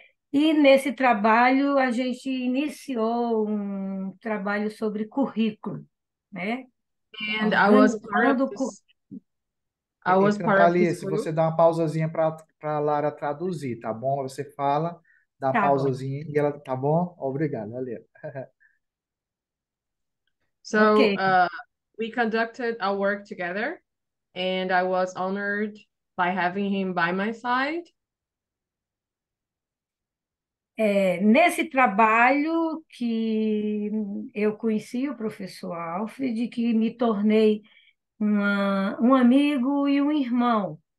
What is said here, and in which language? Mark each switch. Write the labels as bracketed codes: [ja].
[pt] E nesse trabalho, a gente iniciou um trabalho sobre currículo, né? [en] And I was part of this. [pt] Thalys, você dá uma pausazinha para a Lara traduzir, tá bom? Você fala, dá tá pausazinha bom. E ela, tá bom? Obrigado, valeu. [en] So, okay. We conducted our work together and I was honored by having him by my side. [pt] É, nesse trabalho que eu conheci o professor Alfred, que me tornei um amigo e um irmão.